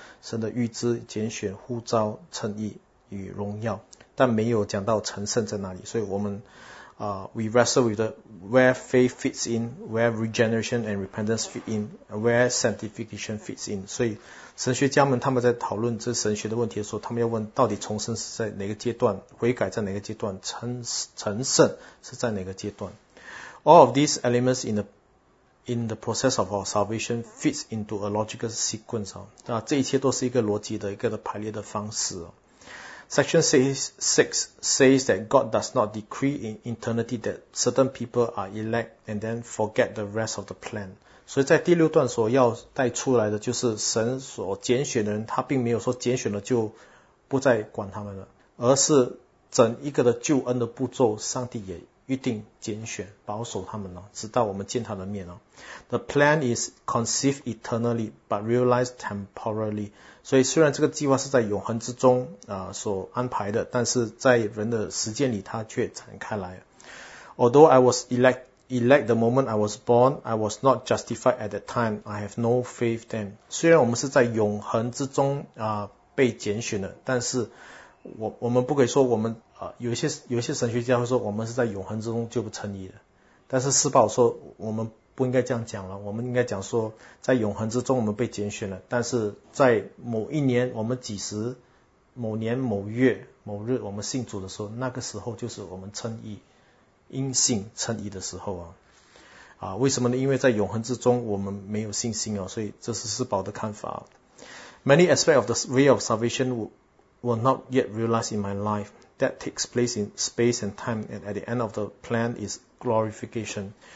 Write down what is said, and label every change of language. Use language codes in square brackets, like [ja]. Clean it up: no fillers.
[zh] 神的预知、拣选、呼召、称义与荣耀，但没有讲到成圣在哪里，所以我们 [en] we wrestle with the where faith fits in, where regeneration and repentance fit in, where sanctification fits in. [zh] 所以神学家们他们在讨论这神学的问题的时候，他们要问到底重生是在哪个阶段，悔改在哪个阶段，成圣是在哪个阶段。 [en] All of these elements in the process of our salvation fits into a logical sequence. [zh] 那这一切都是一个逻辑的一个的排列的方式。 [en] Section 6 says that God does not decree in eternity that certain people are elect and then forget the rest of the plan. [zh] 所以在第六段所要带出来的就是神所拣选的人，他并没有说拣选了就不再管他们了，而是整一个的救恩的步骤，上帝也预定拣选保守他们了，直到我们见他的面了。 [en] The plan is conceived eternally but realized temporarily. [zh] 所以虽然这个计划是在永恒之中所安排的，但是在人的时间里它却展开来。 [en] Although I was elect the moment I was born, I was not justified at that time. I have no faith then. [zh] 虽然我们是在永恒之中被拣选的，但是我们不可以说我们有些神学家会说我们是在永恒之中就不称义的，但是施保说我们不应该这样讲了，我们应该讲说在永恒之中我们被拣选了，但是在某一年我们几时某年某月某日我们信主的时候，那个时候就是我们称义因信称义的时候为什么呢？因为在永恒之中我们没有信心所以这是施保的看法。 [en] Many aspects of the way of salvation were not yet realized in my lifeThat takes place in space and time, and at the end of the plan is glorification.